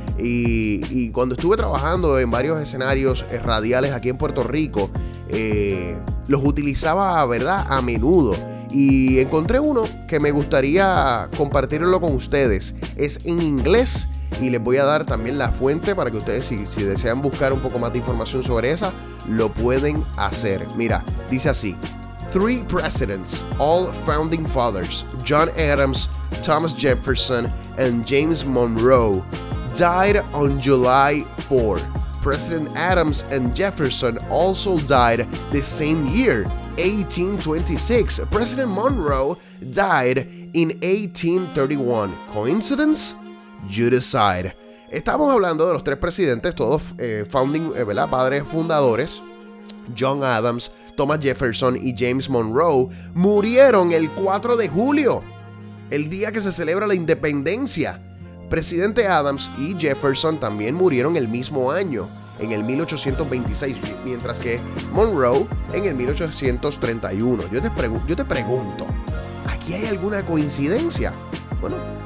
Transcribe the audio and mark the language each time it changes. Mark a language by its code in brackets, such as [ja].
[es] Y cuando estuve trabajando en varios escenarios radiales aquí en Puerto Rico, los utilizaba, ¿verdad?, a menudo. Y encontré uno que me gustaría compartirlo con ustedes. Es en inglés y les voy a dar también la fuente para que ustedes, si desean buscar un poco más de información sobre esa, lo pueden hacer. Mira, dice así: [en] 3 presidents, all founding fathers, John Adams, Thomas Jefferson, and James Monroe, died on July 4. President Adams and Jefferson also died the same year, 1826. President Monroe died in 1831. Coincidence? You decide. [es] Estamos hablando de los 3 presidentes, todos padres fundadores. John Adams, Thomas Jefferson y James Monroe murieron el 4 de julio, el día que se celebra la independencia. Presidente Adams y Jefferson también murieron el mismo año, en el 1826, mientras que Monroe en el 1831. Yo te pregunto, ¿aquí hay alguna coincidencia? Bueno,